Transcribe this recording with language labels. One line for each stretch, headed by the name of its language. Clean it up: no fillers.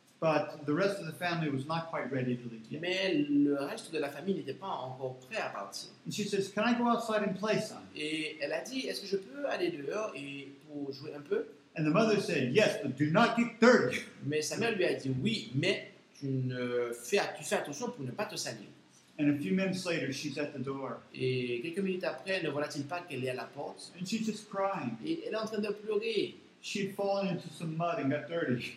English: But the rest of the family was not quite ready to leave yet.
French: Mais le reste de la famille n'était pas encore prêt à partir.
English: And she says, "Can I go outside and play some?"
French: Et elle a dit, "Est-ce que je peux aller dehors et pour jouer un peu?"
English: And the mother said, "Yes, but do not get dirty."
French: Mais sa mère lui a dit, "Oui, mais tu fais attention pour ne pas te salir."
English: And a few minutes later, she's at the door.
French: Et quelques minutes après, ne voilà-t-il pas qu'elle est à la porte?
English: And she's just crying.
French: Et elle est en train de pleurer.
English: She'd fallen into some mud and got dirty.